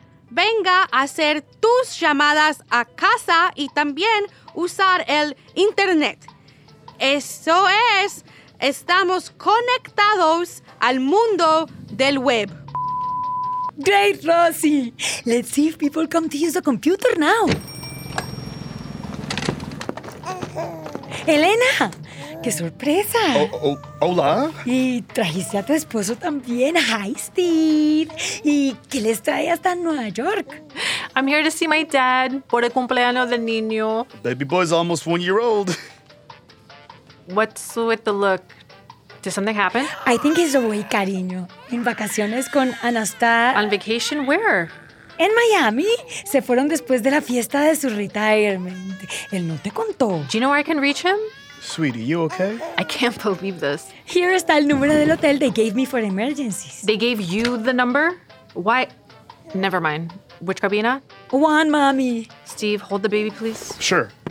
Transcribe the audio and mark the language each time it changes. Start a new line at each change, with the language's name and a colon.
Spanish: Venga a hacer tus llamadas a casa y también usar el internet. Eso es, estamos conectados al mundo del web.
English: Great, Rosie. Let's see if people come to use the computer now.
Spanish: Elena, qué sorpresa. Hola. Y trajiste a tu esposo también.
English: Hi, Steve.
Spanish: ¿Y qué les trae hasta Nueva York?
English: I'm here to see my dad
Spanish: por el cumpleaños del niño.
English: Baby boy's almost 1 year old. What's with the look? Did something happen? I think he's away, cariño.
Spanish: En vacaciones con Anastasia.
English: On vacation? Where?
Spanish: En Miami. Se fueron después de la fiesta de su retirement. Él no te contó.
English: Do you know where I can reach him? Sweetie, you okay? I can't believe this. Here
Spanish: está el número del hotel
English: they gave me for emergencies. They gave you the number? Why? Never mind. Which cabina? One, mommy. Steve, hold the baby, please. Sure.